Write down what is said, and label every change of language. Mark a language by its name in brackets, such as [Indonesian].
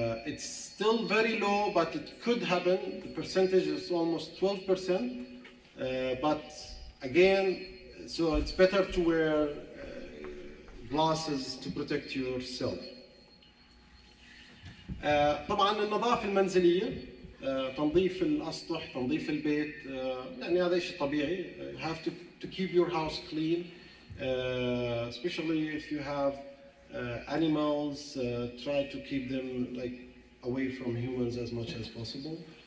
[English] It's still very low but it could happen. The percentage is almost 12%. But again so it's better to wear glasses to protect yourself. [Arabic] طبعا النظافه المنزليه تنظيف الأسطح، تنظيف البيت، يعني هذا شيء طبيعي. [English] You have to keep your house clean, especially if you have animals. Try to keep them like away from humans as much as possible.